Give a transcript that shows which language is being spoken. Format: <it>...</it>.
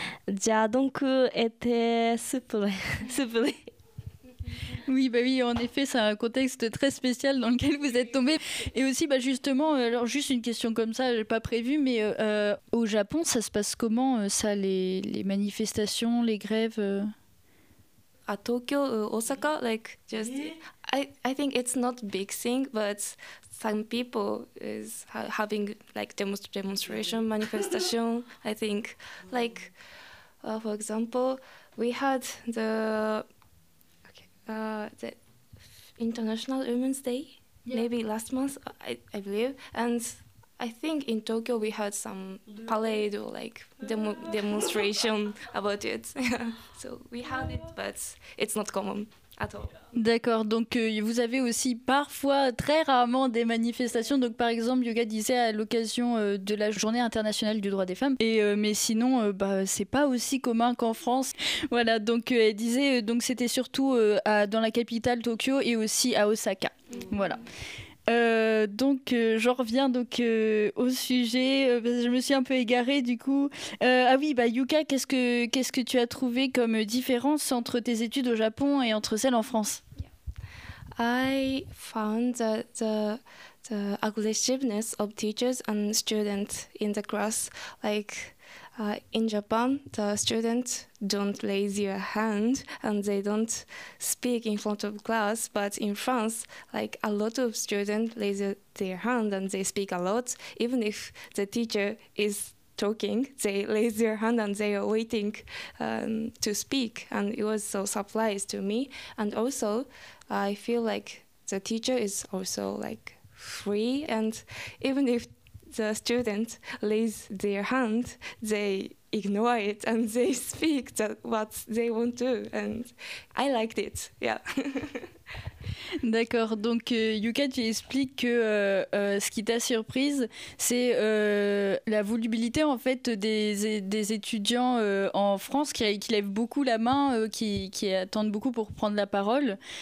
<fr>J'ai donc été soufflé. Oui, bah oui, en effet, c'est un contexte très spécial dans lequel vous êtes tombé. Et aussi, bah justement, alors juste une question comme ça, j'ai pas prévu, mais au Japon, ça se passe comment, ça, les manifestations, les grèves</fr> <en>À Tokyo, Osaka, like just, I think it's not big thing, but some people is having like demonstration, manifestation. I think, like, for example, we had the the International Women's Day, yeah. Maybe last month, I believe. And I think in Tokyo we had some parade or like demonstration about it. So we had it, but it's not common at all.</en> <fr>D'accord, donc vous avez aussi parfois, très rarement, des manifestations. Donc par exemple, Yoga disait à l'occasion de la Journée internationale du droit des femmes. Et, mais sinon, bah, c'est pas aussi commun qu'en France. Voilà, donc elle disait donc c'était surtout dans la capitale Tokyo et aussi à Osaka. Mmh. Voilà. J'en reviens donc au sujet. Je me suis un peu égarée du coup. Ah oui, bah Yuka, qu'est-ce que tu as trouvé comme différence entre tes études au Japon et entre celles en France?</fr> <en>I found that the aggressiveness of teachers and students in the class, like in Japan, the students don't raise their hand and they don't speak in front of class. But in France, like a lot of students raise their hand and they speak a lot. Even if the teacher is talking, they raise their hand and they are waiting to speak. And it was so surprised to me. And also, I feel like the teacher is also like free. And even if the students raise their hand, they ignore it and they speak what they want to. And I liked it, yeah.</en> <fr>D'accord, donc Yuka, tu expliques que ce qui t'a surprise, c'est la volubilité en fait des étudiants en France qui lèvent beaucoup la main, qui attendent beaucoup pour prendre la parole.</fr>